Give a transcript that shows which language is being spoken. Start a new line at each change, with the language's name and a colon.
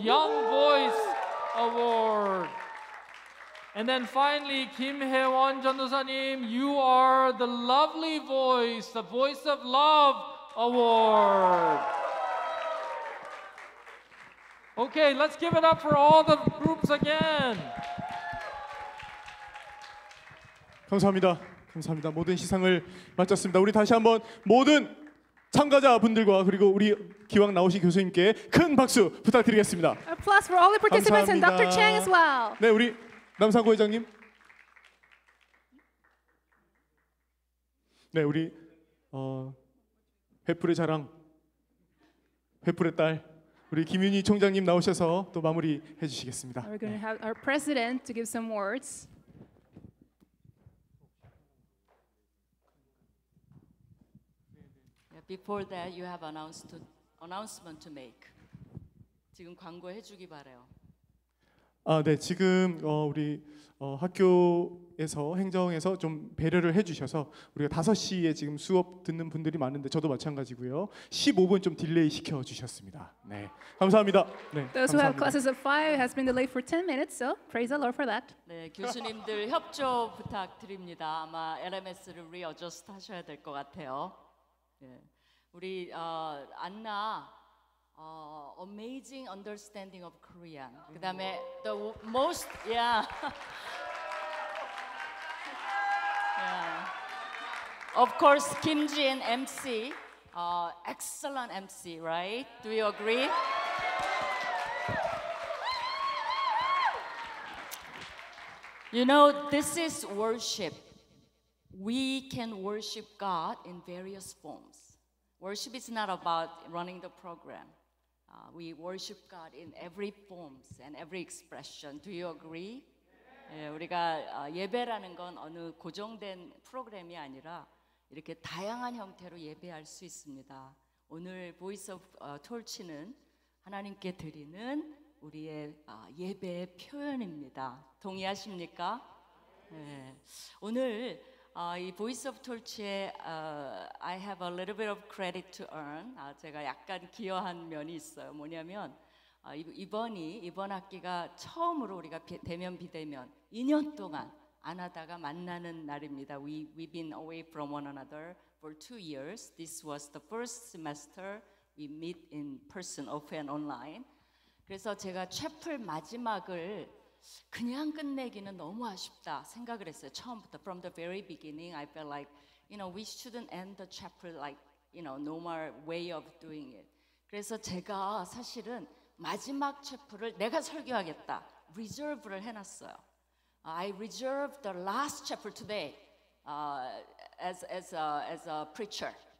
English: Young Voice Award. And then finally, 김혜원 전도사님, you are the Lovely Voice, the Voice of Love Award. Okay, let's give it up for all the groups again.
Korean: 감사합니다. 감사합니다. 모든 시상을 마쳤습니다. 우리 다시 한번 모든 참가자분들과 그리고 우리 기왕 나오신 교수님께 큰 박수 부탁드리겠습니다.
English: Applause for all the participants and Dr. Chang as well.
Korean: 네, 우리 남상구 회장님. 네, 우리 횃불의 자랑, 횃불의 딸 우리 김윤희 총장님 나오셔서 또 마무리 해주시겠습니다.
English: We're going to have our president to give some words. 네. Before that, you have announcement to make.
Korean: 지금 광고해주기 바래요. 아, 네. 지금 우리 학교에서 행정에서 좀 배려를 해주셔서 우리가 5시에 지금 수업 듣는 분들이 많은데 저도 마찬가지고요. 15분 좀 딜레이 시켜 주셨습니다. 네, 감사합니다. 네,
English: Those
Korean: 감사합니다.
English: who have classes of five has been delayed for 10 minutes, so praise the Lord for that.
Korean: 네, 교수님들 협조 부탁드립니다. 아마 LMS를 리어저스트 하셔야 될 것 같아요. 네, 우리
English: 안나. Amazing understanding of Korean.
Korean: 그 다음에
English: the most, yeah. yeah. Of course, 김진 MC, excellent MC, right? Do you agree? You know, this is worship. We can worship God in various forms. Worship is not about running the program. We worship God in every forms and every expression. Do you agree?
Korean: 예, 우리가 예배라는 건 어느 고정된 프로그램이 아니라 이렇게 다양한 형태로 예배할 수 있습니다. 오늘 Voice of Torch는 하나님께 드리는 우리의 예배의 표현입니다. 동의하십니까? 예, 오늘 이
English: Voice of Torch에 I have a little bit of credit to earn.
Korean: 제가 약간 기여한 면이 있어요. 뭐냐면 이번 학기가 처음으로 우리가 대면 비대면 2년 동안 안 하다가 만나는 날입니다.
English: We've been away from one another for 2 years. This was the first semester we meet in person, off and online.
Korean: 그래서 제가 채플 마지막을 그냥 끝내기는 너무 아쉽다 생각을 했어요. 처음부터
English: from the very beginning I felt like you know we shouldn't end the chapter like you know normal way of doing it.
Korean: 그래서 제가 사실은 마지막 챕터를 내가 설교하겠다 reserve를 해놨어요.
English: I reserved the last chapter today as a preacher.